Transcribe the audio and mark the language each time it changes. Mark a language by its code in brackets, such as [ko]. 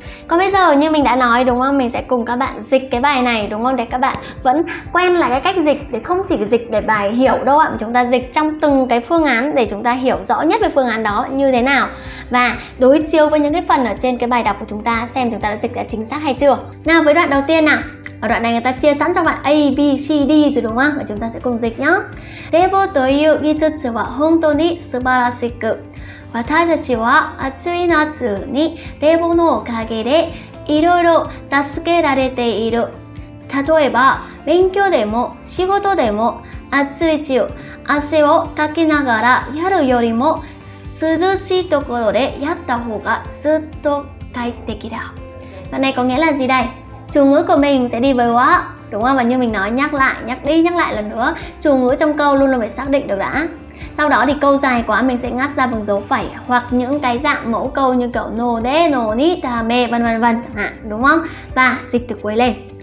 [vi] Còn bây giờ như mình đã nói đúng không? Mình sẽ cùng các bạn dịch cái bài này đúng không? Để các bạn vẫn quen lại cái cách dịch, để không chỉ dịch để bài hiểu đâu ạ, mà chúng ta dịch trong từng cái phương án để chúng ta hiểu rõ nhất về phương án đó như thế nào. Và đối chiếu với những cái phần ở trên cái bài đọc của chúng ta xem chúng ta đã dịch đã chính xác hay chưa. Nào với đoạn đầu tiên nào. Ở đoạn này người ta chia sẵn cho bạn A, B, C, D rồi đúng không? Và chúng ta sẽ cùng dịch nhé. [ja] Devo という技術は本当に素晴らしく。私たちは暑い夏に Devo のおかげでいろいろ助けられている。例えば、勉強でも仕事でも暑い地を足をかきながらやるよりも涼しいところでやった方がずっと快適だ。 [vi] まあね、có nghĩa là gì đây? Chủ ngữ của mình sẽ đi với wa, đúng không? Và như mình nói nhắc lại, nhắc đi, nhắc lại lần nữa. Chủ ngữ trong câu luôn luôn phải xác định được đã. Sau đó thì câu dài quá mình sẽ ngắt ra bằng dấu phẩy hoặc những cái dạng mẫu câu như kiểu no de, no ni, ta me, vân vân vân chẳng hạn, đúng không? Và dịch từ cuối lên.